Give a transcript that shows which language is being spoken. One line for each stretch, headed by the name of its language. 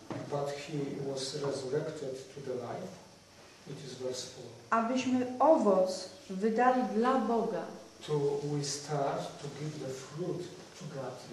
English: But he was resurrected to the life. It is verse 4.
Polish: Abyśmy owoc wydali dla Boga.
English: to we start to give the fruit to God.